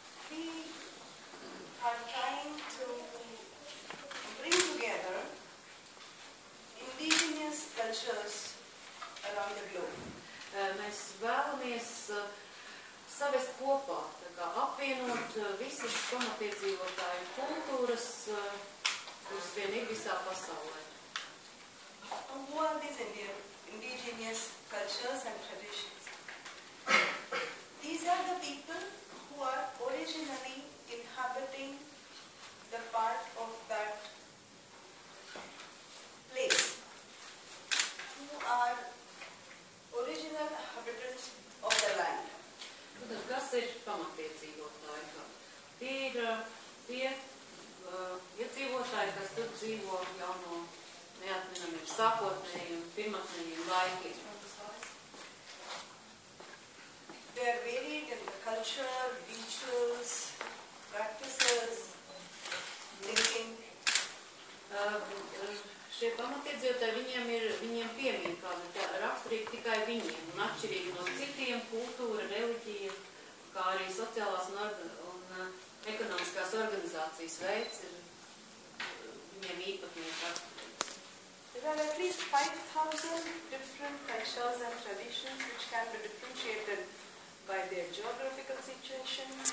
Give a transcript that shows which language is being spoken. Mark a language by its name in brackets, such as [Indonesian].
[English] We are trying to bring together indigenous cultures around the globe. [Latvian] Mēs vēlamies savest kopā, tā kā apvienot visas pamatiedzīvotāju kultūras, kuras vien ir visā pasaulē. [English] Who are these indigenous cultures and traditions? These are the people who are originally inhabiting the part of that place, who are original inhabitants of the land. [Latvian] Tātad, kas ir pamatiedzīvotāji? Tie ir tie iedzīvotāji, kas tur dzīvo jau no neatminamiem sākotnējiem, pirmatnējiem laikiem. [English] They are varied in the culture, rituals, practices, thinking. [Latvian] Šie pamatiedzīvotāji viņiem piemīt, kāda tā raksturīga tikai viņiem, un atšķirīgi no citiem kultūra, reliģija, kā arī sociālās un ekonomiskās organizācijas veids ir viņiem īpatnīgi raksturīgs. [English] There are at least 5,000 different cultures and traditions which can be differentiated by their geographical situation,